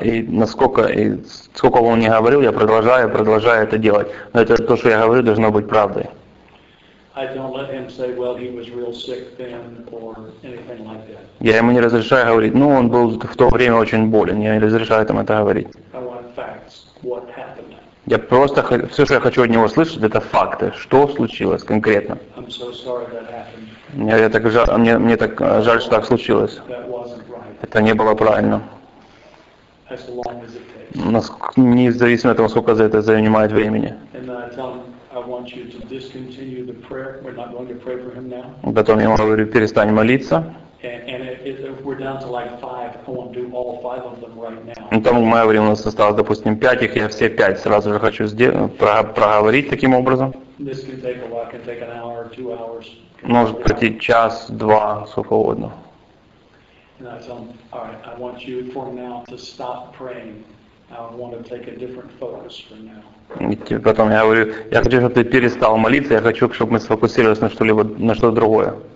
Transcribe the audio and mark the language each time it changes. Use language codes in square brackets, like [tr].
[ru] И сколько он не говорил, я продолжаю это делать. Но это то, что я говорю, должно быть правдой. [en] I don't let him say, well, he was real sick then, or anything like that. [ru] Я ему не разрешаю говорить, ну, он был в то время очень болен, я не разрешаю ему это говорить. [en] I want facts, what happened. [ru] Я просто, все, что я хочу от него слышать, это факты, что случилось конкретно. [en] I'm so sorry that happened. [ru] Мне так жаль, что так случилось. [en] That wasn't right. [ru] Это не было правильно. [en] As long as it takes. [ru] Независимо от того, сколько за это занимает времени. [en] And then I tell him, I want you to discontinue the prayer. We're not going to pray for him now. [ru] Потом я говорю, перестань молиться. [en] And if we're down to like 5, I won't do all 5 of them right now. [ru] Потом в мое время у нас осталось, допустим, 5, их я все 5 сразу же хочу проговорить таким образом. [en] This can take a while. It can take an hour, 2 hours. [ru] Может пройти час, два, сколько угодно. [en] And I tell him, all right, I want you for now to stop praying. I want to take a different focus for now. [ru] Потом я говорю, я хочу, чтобы ты перестал молиться, я хочу, чтобы мы сфокусировались на что-либо, на что-то другое.